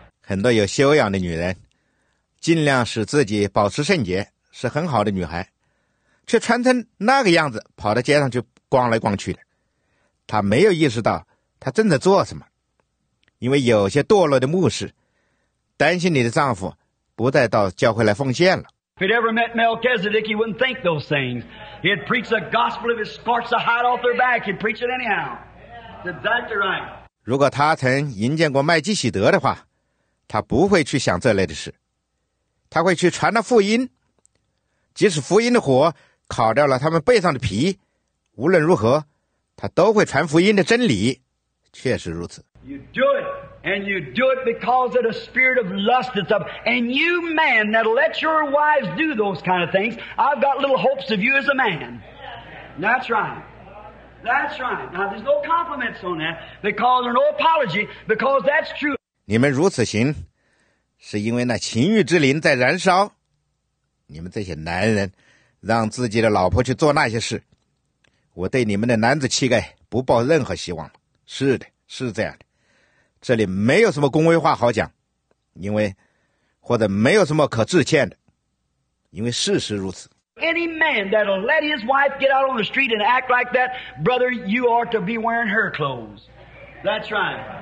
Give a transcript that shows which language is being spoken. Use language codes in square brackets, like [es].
[zh] 很多有修养的女人，尽量使自己保持圣洁，是很好的女孩，却穿成那个样子，跑到街上去逛来逛去的，她没有意识到。他正在做什么？因为有些堕落的牧师担心你的丈夫不再到教会来奉献了。 [en] If he'd ever met Melchizedek, he wouldn't think those things. He'd preach the gospel if it scorched the hide off their back. He'd preach it anyhow. That's exactly right. [zh] 如果他曾迎见过麦基洗德的话，他不会去想这类的事，他会去传那福音，即使福音的火烤掉了他们背上的皮，无论如何，他都会传福音的真理。确实如此。 [en] You do it, and you do it because of the spirit of lust that's up. And you, man, that let your wives do those kind of things, I've got little hopes of you as a man. That's right. That's right. Now, there's no compliments on that, because there's no apology, because that's true. [zh] 你们如此行，是因为那情欲之灵在燃烧。你们这些男人，让自己的老婆去做那些事，我对你们的男子气概不抱任何希望了。是的，是这样的，这里没有什么恭维话好讲，因为或者没有什么可致歉的，因为事实如此。 [en] Any man that'll let his wife get out on the street and act like that, brother, you ought to be wearing her clothes. That's right.